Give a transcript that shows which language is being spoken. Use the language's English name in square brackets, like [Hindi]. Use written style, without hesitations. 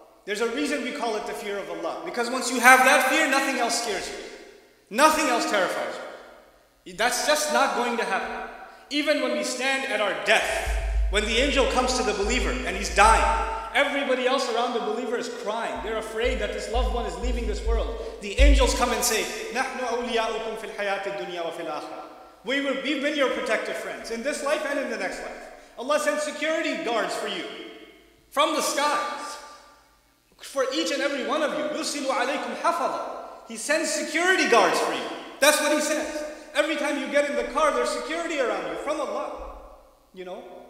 [English] There's a reason we call it the fear of Allah. Because once you have that fear, nothing else scares you. Nothing else terrifies you. That's just not going to happen. Even when we stand at our death, when the angel comes to the believer and he's dying, everybody else around the believer is crying. They're afraid that this loved one is leaving this world. The angels come and say, [Arabic] نَحْنُ أَوْلِيَاؤُكُمْ فِي الْحَيَاةِ الدُّنْيَا وَفِي الْآخِرَةِ. [English] We've been your protective friends in this life and in the next life. Allah sent security guards for you from the skies. For each and every one of you, [Arabic] يُرْسِلُ عَلَيْكُمْ حَفَظًا. [English] He sends security guards for you. That's what He says. Every time you get in the car, there's security around you from Allah. You know?